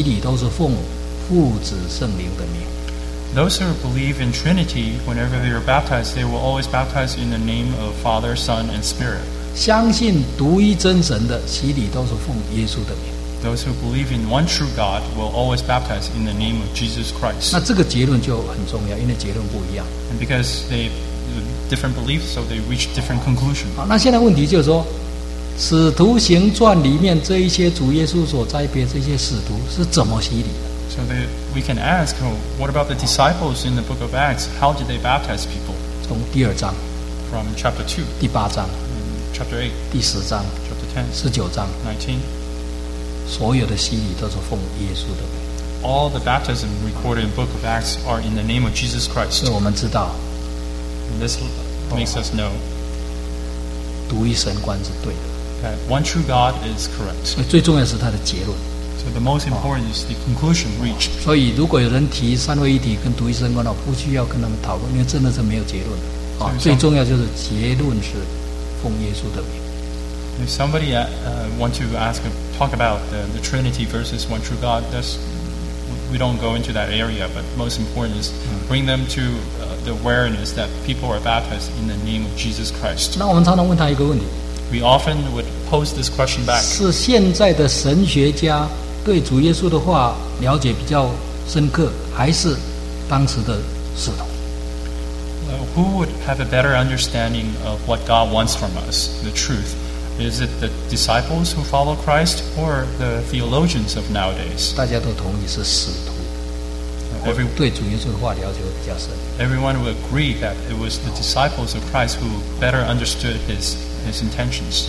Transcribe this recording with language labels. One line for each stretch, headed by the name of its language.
Chinese: 相信三位一体的洗礼都是奉父子圣灵的名。
English: Those who believe in Trinity, whenever they are baptized, they will always baptize in the name of Father, Son, and Spirit. Those who believe in one true God will always baptize in the name of Jesus Christ. And because they have different beliefs, so they reach different conclusions.
Chinese: 好，那现在问题就是说， 使徒行传里面这一些主耶稣所栽培这些使徒是怎么洗礼的？
English: So they, we can ask, well, what about the disciples in the book of Acts? How did they baptize people?
Chinese: 从第二章,
English: From chapter 2.
Chinese: 第八章,
English: chapter 8.
Chinese: 第十章,
English: chapter 10.
Chinese: 十九章,
English: 19.
Chinese: 所有的洗礼都是奉耶稣的名,
English: All the baptism recorded in the book of Acts are in the name of Jesus Christ.
Chinese: 所以我们知道,
English: and this makes us know
Chinese: 独一神观是对的,
English: that one true God is correct.
Chinese: 最重要是他的结论。
English: So the most important is the conclusion reached.
Chinese: 所以如果有人提三位一体跟独一神观，不需要跟他们讨论，因为真的是没有结论。最重要就是结论是奉耶稣的名。
English: If somebody want to ask talk about the Trinity versus one true God, that's, we don't go into that area. But most important is bring them to the awareness that people are baptized in the name of Jesus Christ.
Chinese: 那我们常常问他一个问题。
English: We often would pose this question back.
Chinese: 是现在的神学家 对主耶稣的话了解比较深刻，还是当时的使徒？
English: Who would have a better understanding of what God wants from us, the truth? Is it the disciples who follow Christ or the theologians of nowadays?
Chinese: 大家都同意是使徒。
English: Everyone would agree that it was the disciples of Christ who better understood his intentions.